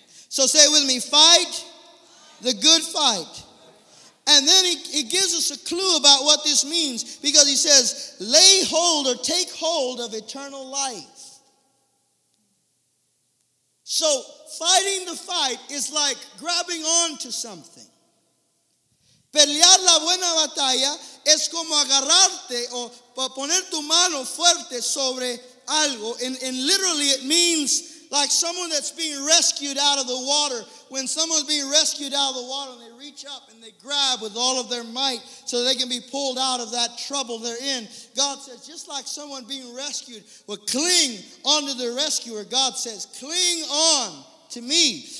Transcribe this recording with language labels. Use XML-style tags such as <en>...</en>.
<en>So say with me, fight the good fight. And then he gives us a clue about what this means because he says, lay hold or take hold of eternal life. So fighting the fight is like grabbing on to something.</en> <es>Pelear la buena batalla es como agarrarte o poner tu mano fuerte sobre algo.</es> <en>And literally it means like someone that's being rescued out of the water. When someone's being rescued out of the water and they reach up and they grab with all of their might so they can be pulled out of that trouble they're in. God says, just like someone being rescued would cling onto the rescuer, God says, cling on to me.</en>